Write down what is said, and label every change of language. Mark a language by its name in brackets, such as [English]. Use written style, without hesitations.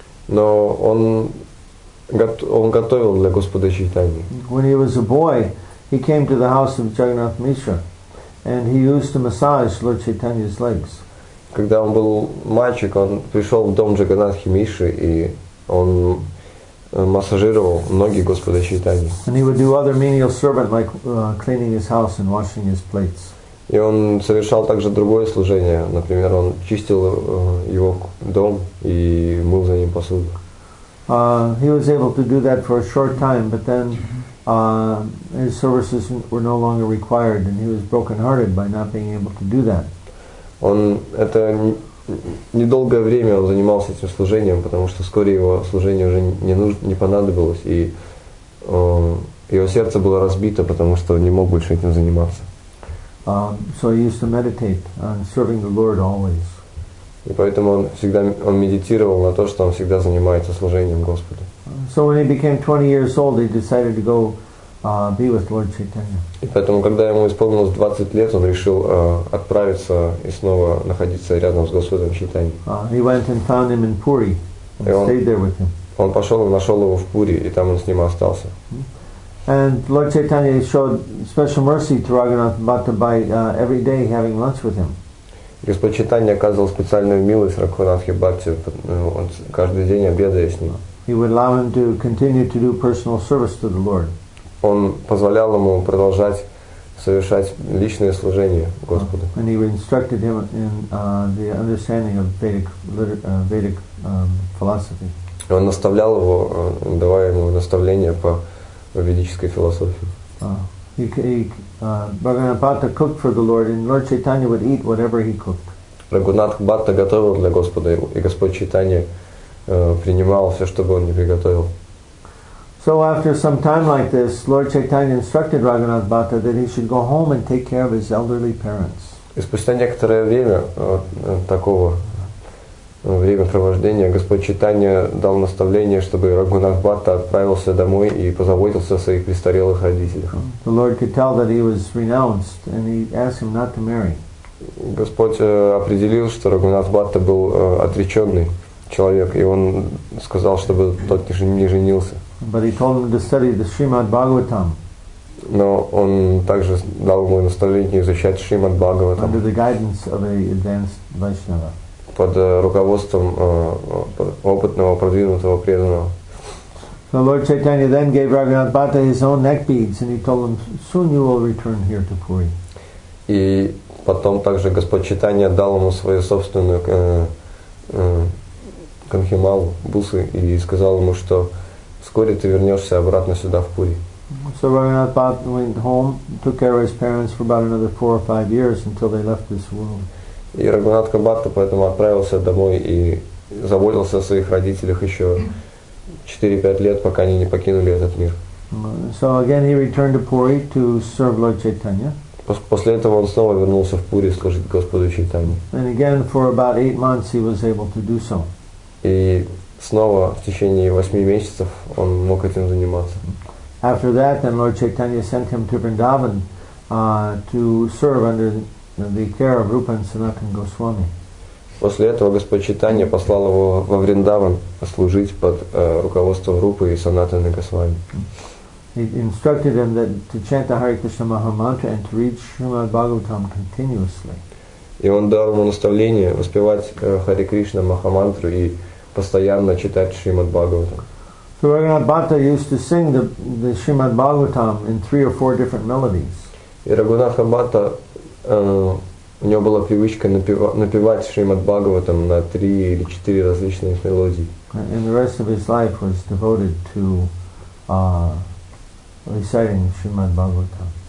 [Russian] Но он готовил для Господа Чайтаньи. [English] When he was a boy, he came to the house of Jagannath Mishra and he used to massage Lord Chaitanya's legs. [Russian] Когда он был мальчик, он пришел в дом Джаганатхи Мишры и он массажировал ноги Господа Чайтаньи. [English] And he would do other menial servant like cleaning his house and washing his plates. [Russian] И он совершал также другое служение, например, он чистил его дом и мыл за ним посуду. [English] He was able to do that for a short time, but then his services were no longer required, and he was broken-hearted by not being able to do that. [Russian] Он это недолгое время он занимался этим служением, потому что вскоре его служение уже не понадобилось, и его сердце было разбито, потому что он не мог больше этим заниматься. [English] So he used to meditate on serving the Lord always. [Russian] И поэтому он медитировал на то, что он всегда занимается служением Господу. [English] So when he became 20 years old, he decided to go be with Lord Chaitanya. [Russian] И поэтому, когда ему исполнилось 20 лет, он решил отправиться и снова находиться рядом с Господом Чайтаньей. [English] He went and found him in Puri and stayed there with him. [Russian] Он пошел и нашел его в Пури, и там он с ним остался. [English] And Lord Chaitanya showed special mercy to Raghunath Bhatta by every day having lunch with him. [Russian] Господь Чайтанья оказывал специальную милость Раghunathе Бхатте, он каждый день обедает с ним. [English] He would allow him to continue to do personal service to the Lord. [Russian] Он позволял ему продолжать совершать личное служение Господу. [English] And he instructed him in the understanding of Vedic Vedic philosophy. [Russian] И он наставлял его, давая ему наставления по ведической философии. [English] Бхагаванат Бхатта cooked for the Lord, and Lord Chaitanya would eat whatever he cooked. [Russian] Рагунатх Бхатта готовил для Господа, и Господь Чайтанья принимал все, что бы он ни приготовил. [English] So after some time like this, Lord Chaitanya instructed Рагунатх Бхатта that he should go home and take care of his elderly parents. [Russian] И спустя некоторое время такого времяпровождения Господь Чайтанья дал наставление, чтобы Рагунатх Бхатта отправился домой и позаботился о своих престарелых родителях. [English] The Lord could tell that he was renounced, and he asked him not to marry. [Russian] Господь определил, что Рагунатх Бхатта был отреченный человек, и он сказал, чтобы тот не женился. [English] But he told him to study the Srimad Bhagavatam. [Russian] Но он также дал ему наставление изучать Шримад Бхагаватам. [English] Under the guidance of an advanced Vaishnava. [Russian] Под руководством опытного, продвинутого преданного. [English] So Lord Chaitanya then gave Raghunath Bhatta his own neck beads, and he told him, soon you will return here to Puri. [Russian] И потом также Господь Чайтанья дал ему свою собственную канхималу, бусы, и сказал ему, что вскоре ты вернешься обратно сюда, в Пури. [English] So Raghunath Bhatta went home, took care of his parents for about another 4 or 5 years until they left this world. [Russian] И Рагунатх Бхатта поэтому отправился домой и заботился о своих родителях еще 4-5 лет, пока они не покинули этот мир. [English] So again he returned to Puri to serve Lord Chaitanya. [Russian] После этого он снова вернулся в Пури служить Господу Чайтанье. [English] And again for about 8 months he was able to do so. [Russian] И снова в течение 8 месяцев он мог этим заниматься. [English] After that then Lord Chaitanya sent him to Vrindavan to serve under the care of Rupa and Sanatan Goswami. [Russian] После этого Господь Чайтанья послал его во Вриндаван служить под руководством Рупы и Санатаны Госвами. [English] He instructed him that to chant the Hare Krishna Maha Mantra and to read Srimad Bhagavatam continuously. [Russian] И он дал ему наставление воспевать Харе Кришна Маха Мантру и постоянно читать Шримад Бхагаватам. [English] So Raghunath Bhatta used to sing the Srimad Bhagavatam in 3 or 4 different melodies. [Russian] И Рагунатх Бхатта у него была привычка напевать Шримад Бхагаватам на 3 или 4 различные мелодии. [English] And the rest of his life was devoted to reciting Srimad Bhagavatam.